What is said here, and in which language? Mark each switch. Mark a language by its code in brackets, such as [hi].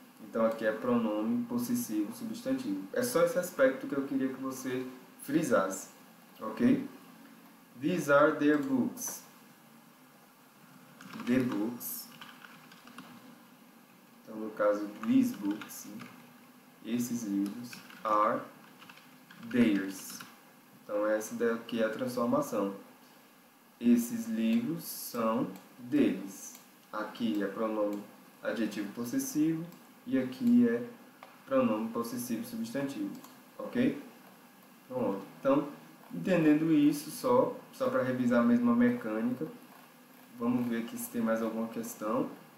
[pt] Então aqui é pronome possessivo substantivo. É só esse aspecto que eu queria que você frisasse, ok? [en] These are their books. The books. [pt] Então, no caso, these books, sim. Esses livros, [en] are theirs. [pt] Então, essa daqui é a transformação. Esses livros são deles. Aqui é pronome adjetivo possessivo e aqui é pronome possessivo substantivo. Ok? Pronto. Então, entendendo isso, só para revisar mesmo a mecânica, vamos ver aqui se tem mais alguma questão.